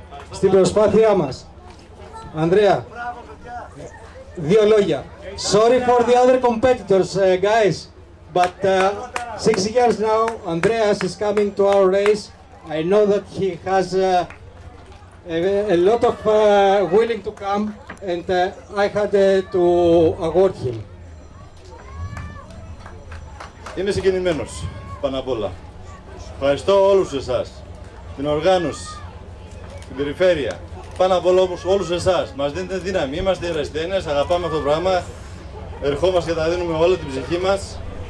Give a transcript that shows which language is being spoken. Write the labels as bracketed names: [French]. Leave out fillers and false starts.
[Greek] Στην προσπάθειά μας, Ανδρέα, δύο λόγια. [English] Sorry for the other competitors, guys, but 6 years now, Andreas is coming to our race. I know that he has a lot of willing to come, and I had to award him. [Greek] Είμαι συγκινημένος, πάνω απ' όλα. Ευχαριστώ όλους εσάς, την οργάνωση, την περιφέρεια, πάνω απ' όλα όλους εσάς. Μας δίνετε δύναμη, είμαστε ερασιτέχνες, αγαπάμε αυτό το πράγμα, ερχόμαστε και τα δίνουμε όλη την ψυχή μας.